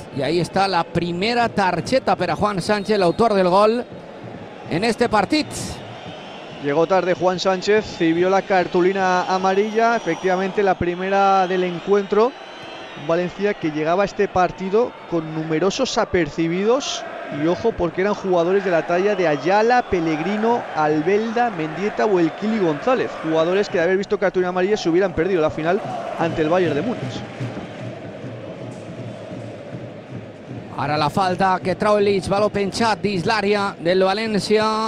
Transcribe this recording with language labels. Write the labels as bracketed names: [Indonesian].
[Catalan] I ahí està la primera targeta per a Juan Sánchez, l'autor del gol en este partit. [Spanish] Llegó tarde Juan Sánchez y vio la cartulina amarilla. Efectivamente, la primera del encuentro. Valencia que llegaba a este partido con numerosos apercibidos. Y ojo, porque eran jugadores de la talla de Ayala, Pellegrino, Albelda, Mendieta o el Kili González. Jugadores que de haber visto cartulina amarilla se hubieran perdido la final ante el Bayern de Múnich. [Catalan] Ara la falta que trau el Leeds, balón penchat dins l'àrea del València.